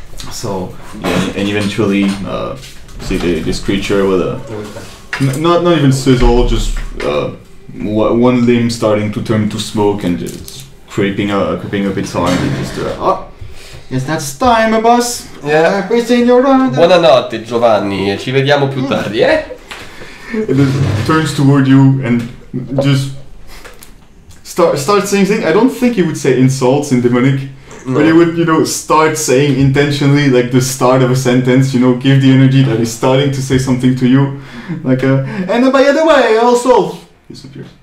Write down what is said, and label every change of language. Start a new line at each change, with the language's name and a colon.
English: So, yeah, and eventually, see this creature with a... Not even sizzle, just one limb starting to turn to smoke and just creeping up its arm. And just, yes, that's time, boss. Yeah, questa in your hand.
Italian: Buonanotte, Giovanni, ci vediamo più tardi, eh?
English: And it turns toward you and just starts saying things. I don't think he would say insults in Demonic. No. But he would, you know, start saying intentionally, like, the start of a sentence, you know, give the energy that he's starting to say something to you. Like, and by the way, also, disappears.